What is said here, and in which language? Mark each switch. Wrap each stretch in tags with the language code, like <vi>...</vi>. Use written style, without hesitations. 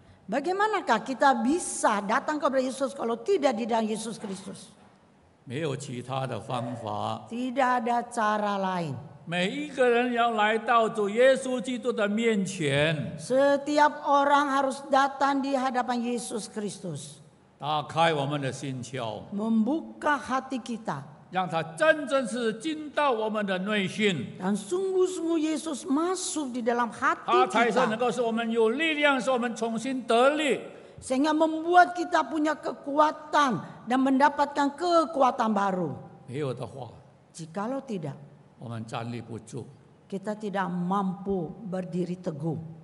<id>Bagaimanakah kita bisa datang kepada Yesus kalau tidak di dalam Yesus Kristus?</id> <zh>没有其他的方法。</zh> <id>Tidak ada cara lain.</id> <zh>每一个人要来到主耶稣基督的面前。</zh> <id>Setiap orang harus datang di hadapan Yesus Kristus.</id> <zh>打开我们的心窍。</zh> <id>Membuka hati kita.</id> <zh>让他真正是进到我们的内心。</zh> <id>Dan sungguh-sungguh Yesus masuk di dalam hati kita.</id> <zh>他才是能够使我们有力量，使我们重新得力。</zh> <id>Sehingga membuat kita punya kekuatan dan mendapatkan kekuatan baru.</id> <zh>没有的话,</zh> <id>jikalau tidak,</id> <zh>我们站立不住,</zh> <id>kita tidak mampu berdiri teguh.</id>